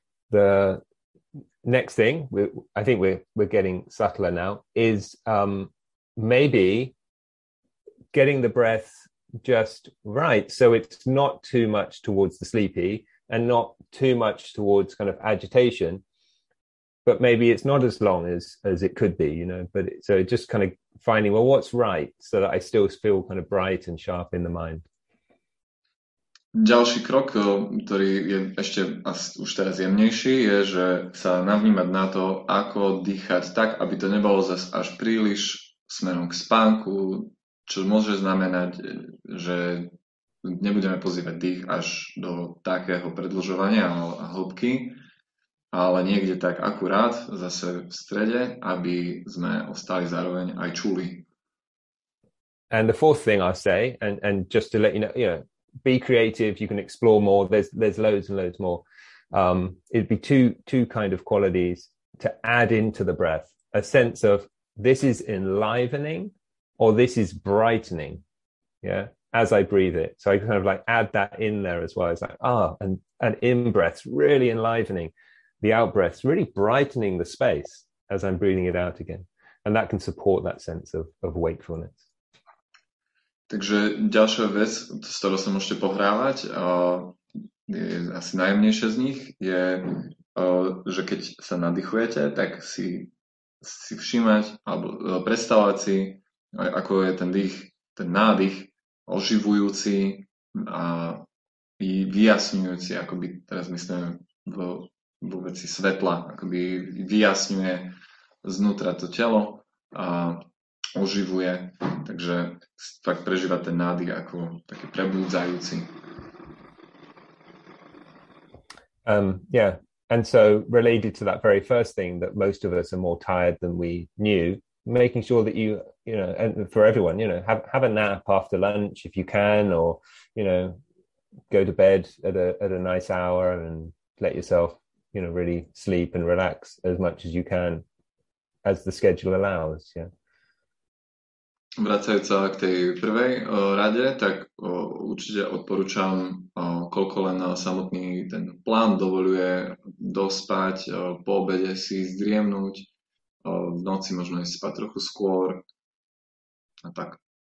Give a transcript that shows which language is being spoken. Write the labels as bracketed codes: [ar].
[en] The next thing, I think we're getting subtler now, is maybe getting the breath just right, so it's not too much towards the sleepy and not too much towards kind of agitation, but maybe it's not as long as it could be, you know, but so just kind of finding, well, what's right so that I still feel kind of bright and sharp in the mind. [sk] Ďalší krok, ktorý je ešte už teraz jemnejší, je, že sa navnímať na to, ako dýchať tak, aby to nebolo zas až príliš smerom k spánku, čo môže znamenať, že nebudeme pozývať dých až do takého predĺžovania a hĺbky, ale niekde tak akurát, zase v strede, aby sme ostali zároveň aj čuli. [en] And the fourth thing I say, and just to let you know, be creative, you can explore more, there's loads and loads more. It'd be two kind of qualities to add into the breath, a sense of this is enlivening, or this is brightening, yeah, as I breathe it. So I kind of like add that in there as well. It's like, and in-breath's really enlivening. The out-breath's really brightening the space as I'm breathing it out again. And that can support that sense of wakefulness. [sk] Takže ďalšia vec, s ktorou sa môžete pohrávať, je asi najjemnejšia z nich, je, že keď sa nadýchujete, tak si všímať, alebo predstavovať si, ako je ten dých, ten nádych oživujúci a vyjasňujúci, akoby teraz myslím vo veci svetla, akoby vyjasňuje znútra to telo a oživuje, takže tak prežíva ten nádych ako taký prebudzajúci. [en] Yeah, And so related to that very first thing, that most of us are more tired than we knew, making sure that you know, and for everyone, you know, have a nap after lunch if you can, or, you know, go to bed at a nice hour and let yourself, you know, really sleep and relax as much as you can, as the schedule allows. Yeah. [sk] Vracajúc sa k tej prvej rade, tak určite odporúčam, koľko len samotný ten plán dovoľuje, dospať, po obede si zdriemnúť, v noci možno ísť spať trochu skôr a tak.